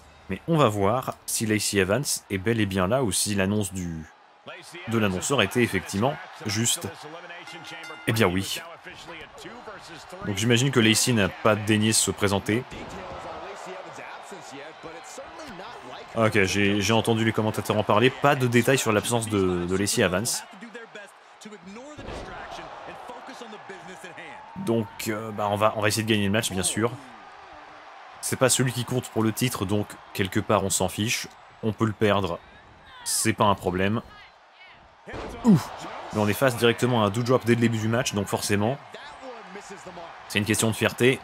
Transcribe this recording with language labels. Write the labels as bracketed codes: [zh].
[fr] Mais on va voir si Lacey Evans est bel et bien là ou si l'annonce de l'annonceur était effectivement juste. Eh bien oui. Donc j'imagine que Lacey n'a pas daigné se présenter. Ok, j'ai entendu les commentateurs en parler. Pas de détails sur l'absence de Lacey Evans. [en] to ignore the distraction and focus on the business at hand. [fr] Donc on va essayer de gagner le match, bien sûr. C'est pas celui qui compte pour le titre, donc quelque part on s'en fiche. On peut le perdre, c'est pas un problème. Ouh! Mais on est face directement à un doudrop dès le début du match, donc forcément, c'est une question de fierté.